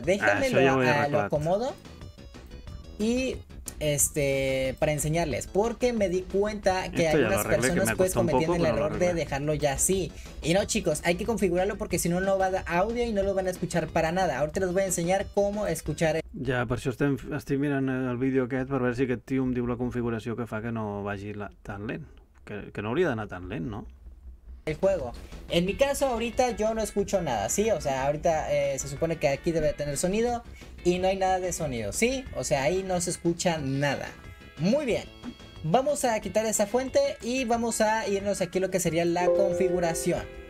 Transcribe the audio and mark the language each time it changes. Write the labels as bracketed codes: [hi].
[es] Déjamelo, lo acomodo. Y, para enseñarles, porque me di cuenta que algunas personas pues cometían el error de dejarlo ya así. Y no, chicos, hay que configurarlo porque si no, no va a dar audio y no lo van a escuchar para nada. Ahorita les voy a enseñar cómo escuchar. [ca] Ja, per això estic mirant el vídeo aquest per veure si aquest tio em diu la configuració que fa que no vagi tan lent. Que no hauria d'anar tan lent, no? [es] El juego. En mi caso, ahorita yo no escucho nada, ¿sí? O sea, ahorita se supone que aquí debe tener sonido y no hay nada de sonido, ¿sí? O sea, ahí no se escucha nada. Muy bien. Vamos a quitar esa fuente y vamos a irnos aquí a lo que sería la configuración.